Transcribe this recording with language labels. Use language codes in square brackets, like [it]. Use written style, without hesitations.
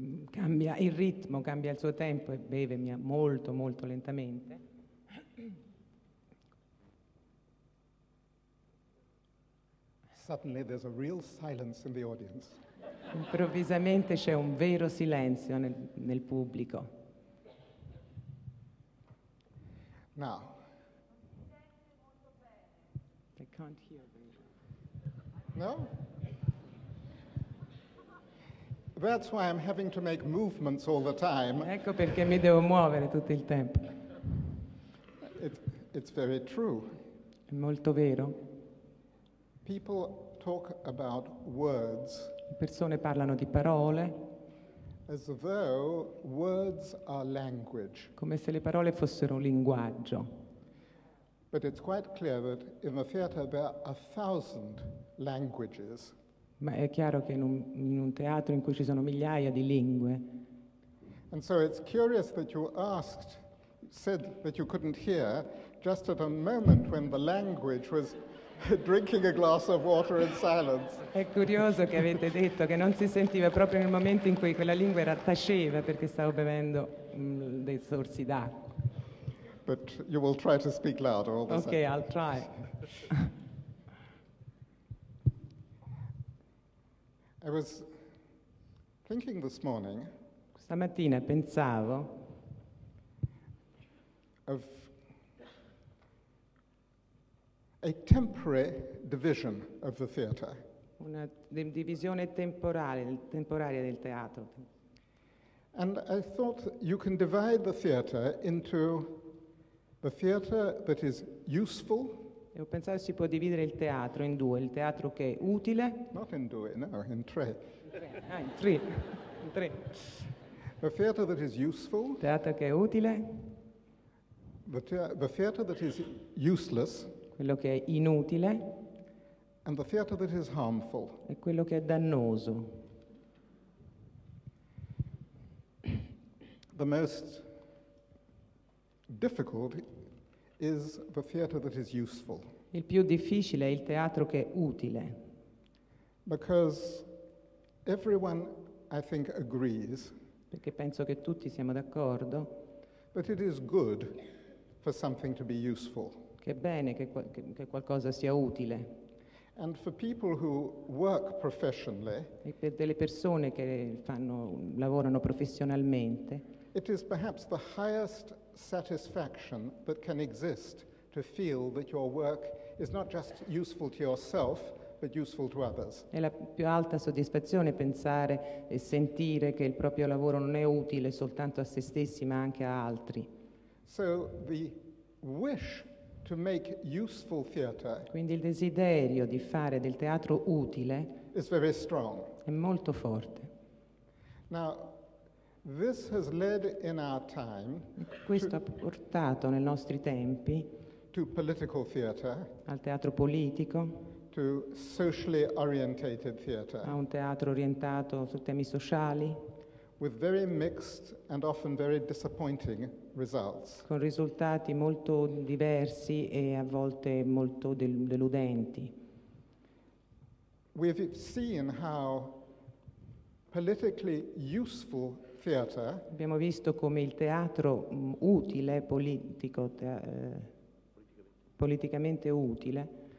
[it] Cambia il ritmo, cambia il suo tempo e beve molto, molto lentamente. [en] Suddenly there's a real silence in the audience. [it] Improvvisamente c'è un vero silenzio nel pubblico. [en] Now. I can't hear very well. No? That's why I'm having to make movements all the time. [it] Ecco perché mi devo muovere tutto il tempo. [en] It's very true. [it] È molto vero. [en] People talk about words. [it] Le persone parlano di parole. [en] As though words are language. [it] Come se le parole fossero linguaggio. [en] But it's quite clear that in the theater there are 1,000 languages. [it] Ma è chiaro che in un teatro in cui ci sono migliaia di lingue. [en] And so it's curious that you asked, said that you couldn't hear just at a moment when the language was drinking a glass of water in silence. [it] È curioso che avete detto che non si sentiva proprio nel momento in cui quella lingua era taceva perché stavo bevendo dei sorsi d'acqua. [en] But you will try to speak louder all the same. Okay, I'll try. I was thinking this morning. [it] Stamattina pensavo [en] of a temporary division of the theater. [it] Una divisione temporanea del teatro. [en] And I thought you can divide the theater into the theater that is useful. [it] E ho pensato si può dividere il teatro in due, il teatro che è utile. [en] Not [it] in due, [en] no, [it] in tre. In tre. [en] The theater that is useful. [it] Teatro che è utile. [en] The theater that is useless. [it] Quello che è inutile. [en] And the theater that is harmful. [it] E quello che è dannoso. [en] The most difficult is the theater that is useful. [it] Il più difficile è il teatro che è utile. [en] Because everyone, I think, agrees. [it] Perché penso che tutti siamo d'accordo. [en] But it is good for something to be useful. [it] Che è bene che qualcosa sia utile. [en] And for people who work professionally. [it] E per delle persone che lavorano professionalmente. [en] It is perhaps the highest satisfaction that can exist to feel that your work is not just useful to yourself, but useful to others. [it] È la più alta soddisfazione pensare e sentire che il proprio lavoro non è utile soltanto a se stessi, ma anche a altri. [en] So the wish to make useful theater. [it] Quindi il desiderio di fare del teatro utile [en] is very strong. [it] È molto forte. [en] Now, this has led in our time. [it] Questo ha portato nei nostri tempi [en] to political theater, [it] al teatro politico, [en] to socially orientated theater, [it] a un teatro orientato su temi sociali, [en] with very mixed and often very disappointing results, [it] con risultati molto diversi e a volte molto deludenti. [en] We've seen how politically useful theater, [it] abbiamo visto come il teatro utile politico politicamente utile